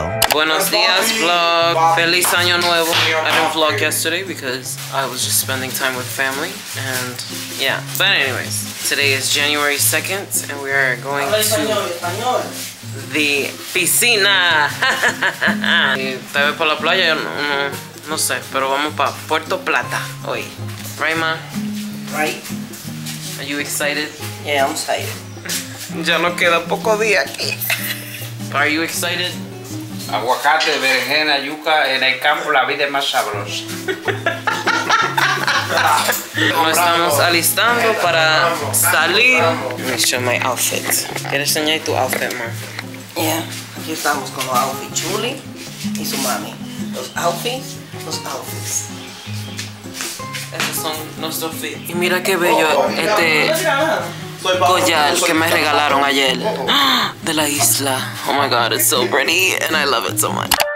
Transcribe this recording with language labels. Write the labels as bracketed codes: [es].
[es] Buenos días vlog, feliz año nuevo. [en] I didn't vlog yesterday because I was just spending time with family and yeah. But anyways, today is January 2nd and we are going to the piscina. [es] Te ves por la playa, no sé, pero vamos pa Puerto Plata hoy. [en] Right, ma? Right. Are you excited? Yeah, I'm excited. [es] Ya no queda poco día aquí. [en] Are you excited? [es] Aguacate, berenjena, yuca, en el campo la vida es más sabrosa. Nos estamos alistando para salir. [en] Let me show my outfit. [es] ¿Quieres enseñar tu outfit, ma? Yeah, aquí estamos con los outfits Chuli y su mami. Los outfits. Esos son nuestros fits. Y mira qué bello este collar que me regalaron ayer de la isla. [en] Oh my god, it's so pretty and I love it so much.